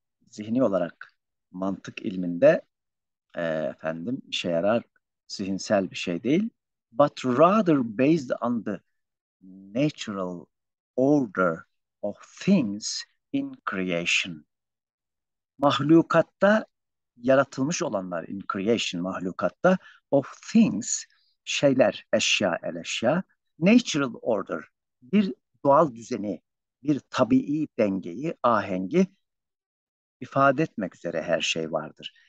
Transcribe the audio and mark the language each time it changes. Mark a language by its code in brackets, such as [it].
[tr] Zihni olarak mantık ilminde efendim işe yarar zihinsel bir şey değil. [en] But rather based on the natural order of things in creation. [tr] Mahlukatta yaratılmış olanlar [en] in creation [tr] mahlukatta [en] of things [tr] şeyler, eşya, el eşya. [en] Natural order, [tr] bir doğal düzeni, bir tabii dengeyi, ahengi ifade etmek üzere her şey vardır.